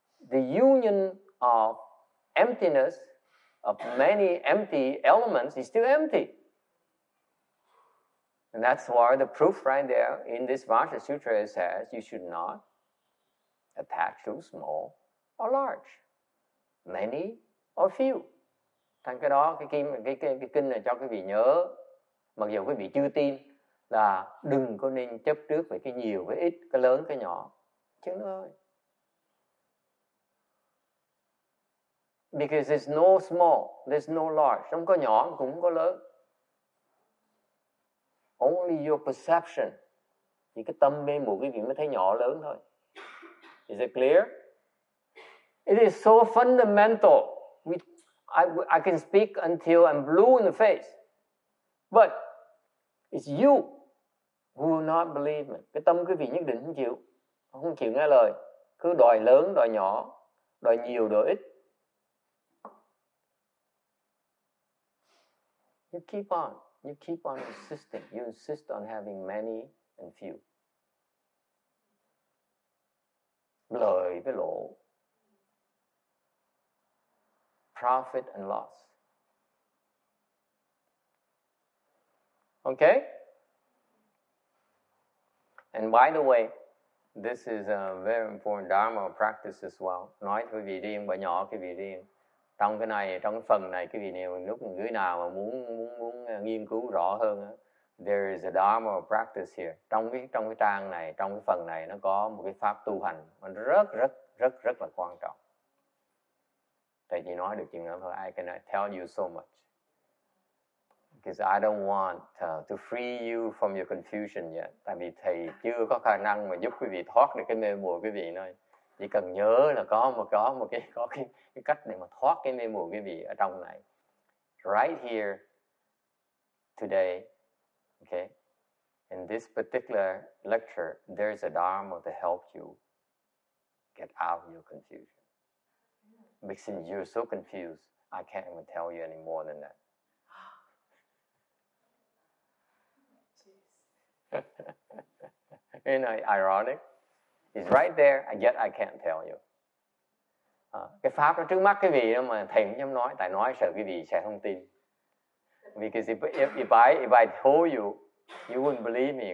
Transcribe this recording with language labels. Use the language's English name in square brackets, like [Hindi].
[English] The union of emptiness of many empty elements is still empty. And that's why the proof right there in this Vajra Sutra says you should not attach to small or large, many or few. [Vietnamese] Thành cái đó, cái kinh này cho quý vị nhớ, mặc dù quý vị chưa tin, là đừng có nên chấp trước về cái nhiều, cái ít, cái lớn, cái nhỏ. Chứ ơi. [English] Because there's no small, there's no large. [Vietnamese] Không có nhỏ, cũng không có lớn. [English] Only your perception. [Vietnamese] Chỉ cái tâm mê muội quý vị mới thấy nhỏ lớn thôi. [English] Is it clear? It is so fundamental. I can speak until I'm blue in the face. But it's you who will not believe me. [Vietnamese] Cái tâm quý vị nhất định không chịu. Không chịu nghe lời. cứ đòi lớn, đòi nhỏ, đòi nhiều, đòi ít. [English] You keep on insisting. You insist on having many and few. [Vietnamese] Lời với lỗ. [English] Profit and loss. Okay? And by the way, this is a very important dharma practice as well. [Vietnamese] Nói với vị riêng và nhỏ cái vị riêng. Trong cái này, trong cái phần này, cái vị nào lúc người nào mà muốn nghiên cứu rõ hơn, [English] there is a dharma practice here. [Vietnamese] Trong cái trang này, trong cái phần này nó có một cái pháp tu hành rất là quan trọng. Tại vì nói được chuyện đó thôi, [English] I cannot tell you so much. Because I don't want to free you from your confusion yet. [Vietnamese] Tại vì thầy chưa có khả năng mà giúp quý vị thoát được cái mê muội quý vị nói. Chỉ cần nhớ là có một cái cách để mà thoát cái mê muội quý vị ở trong này. [English] Right here, today, okay, in this particular lecture, there's a dharma to help you get out of your confusion. Because since you're so confused, I can't even tell you any more than that. You know, ironic. It's right there, and yet I can't tell you. [Vietnamese] Cái pháp nó trước mắt cái vị đó mà thầy không dám nói, tại nói sợ cái vị sẽ không tin. [English] Because if I told you, you wouldn't believe me.